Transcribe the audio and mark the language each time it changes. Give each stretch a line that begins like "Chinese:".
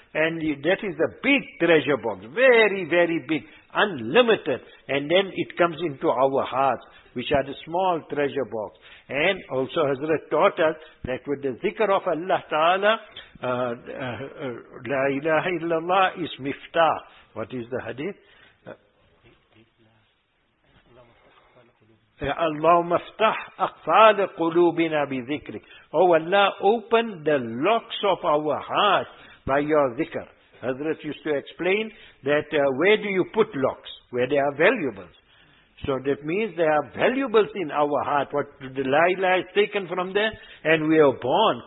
English: And that is a big treasure box. Very, very big. Unlimited. And then it comes into our hearts, which are the small treasure box. And also Hazrat taught us that with the zikr of Allah Ta'ala, La ilaha illallah is miftah. What is the hadith?
Arabic: اللهم افتح اقفال قلوبنا بذكرك.
English: هو الله open the locks of our heart by your ذكر. Hazrat used to explain that where do you put locks? Where they are valuables. So that means they are valuables in our heart. What the Laila is taken from there? And we are born.